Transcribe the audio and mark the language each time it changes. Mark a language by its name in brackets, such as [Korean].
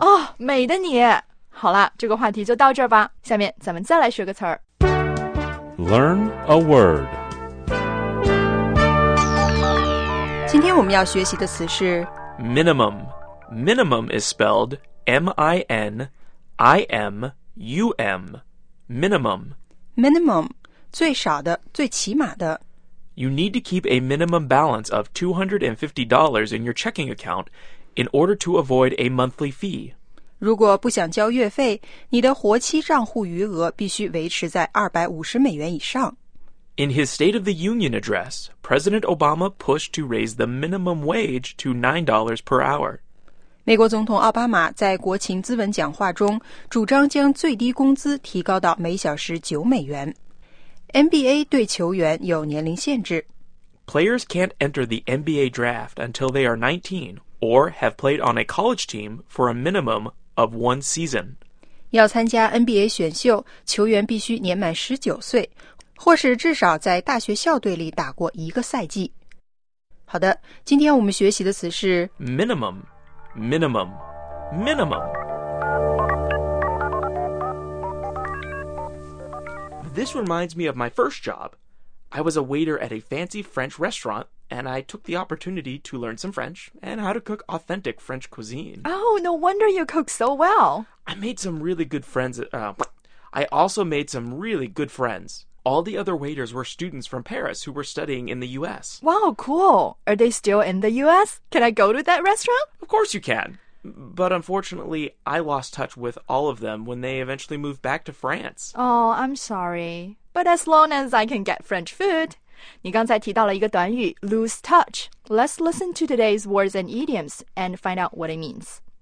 [Chinese] Oh, 美的你。好了，这个话题就到这儿吧。下面咱们再来学个词儿。 [English] Learn a word. [Chinese] 今天我们要学习的词是 [English] minimum. Minimum is spelled M-I-N-I-M-U-M. Minimum. [Chinese] Minimum, 最少的，最起码的。 [English] You need to keep a minimum balance of $250 in your checking account in order to avoid a monthly fee. [Chinese] 如果不想交月费，你的活期账户余额必须维持在250美元以上。 [English] In his State of the Union address, President Obama pushed to raise the minimum wage to $9 per hour. [Chinese] 美国总统奥巴马在国情咨文讲话中主张将最低工资提高到每小时9美元。 NBA 对球员有年龄限制。 [English] Players can't enter the NBA draft until they are 19 or have played on a college team for a minimum of one season. [Chinese] 要参加 NBA 选秀，球员必须年满19岁。或是至少在大学校队里打过一个赛季。好的，今天我们学习的词是 [English] minimum, minimum, minimum. This reminds me of my first job. I was a waiter at a fancy French restaurant, and I took the opportunity to learn some French and how to cook authentic French cuisine. Oh, no wonder you cook so well. I also made some really good friends. All the other waiters were students from Paris who were studying in the U.S. Wow, cool. Are they still in the U.S.? Can I go to that restaurant? Of course you can. But unfortunately, I lost touch with all of them when they eventually moved back to France. Oh, I'm sorry. But as long as I can get French food. [Chinese] 你刚才提到了一个短语 lose touch. [English] Let's listen to today's words and idioms and find out what it means.